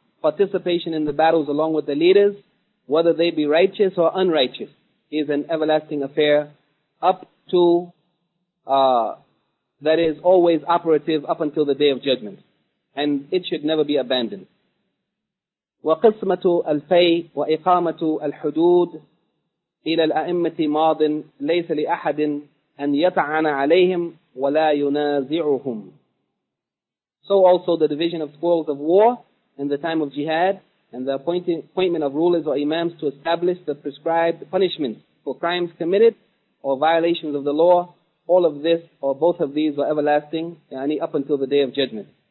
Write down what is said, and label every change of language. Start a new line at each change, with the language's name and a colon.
English: Participation in the battles along with the leaders, whether they be righteous or unrighteous, is an everlasting affair up to, that is always operative up until the Day of Judgment. And it should never be abandoned.
Arabic: وَقِسْمَةُ الْفَيْ وَإِقَامَةُ الْحُدُودِ إلى الأئمة ماض ليس لأحد أن يطعن عليهم ولا ينازعهم.
English: So also the division of spoils of war in the time of jihad, and the appointment of rulers or imams to establish the prescribed punishments for crimes committed or violations of the law, all of this or both of these were everlasting, yani up until the day of judgment.